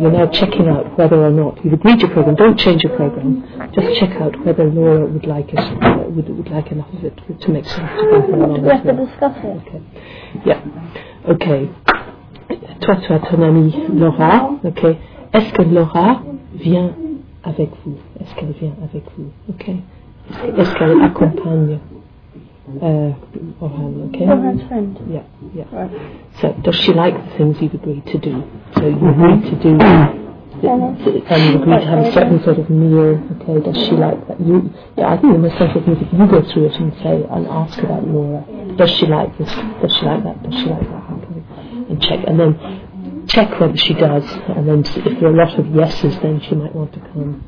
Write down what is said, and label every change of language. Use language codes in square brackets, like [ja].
[en] You're now checking out whether or not you've agreed your program. Don't change your program. Just check out whether Laura would like it, would like enough of it to make sense. We have to discuss it. Okay. Yeah. Okay. [fr] Toi, tu as ton amie Laura, okay? Est-ce que Laura vient avec vous? Est-ce qu'elle vient avec vous? Ok. Est-ce qu'elle accompagne Orhan? Ok. [en] Orhan's friend. Yeah. Right. So, does she like the things you've agreed to do? So, you agreed to do And you agree to have a certain sort of meal, okay, does she like that? I think the most sensitive thing is if you go through it and say, and ask about Laura, does she like this, does she like that, does she like that, okay, and check, and then check whether she does, and then if there are a lot of yeses, then she might want to come.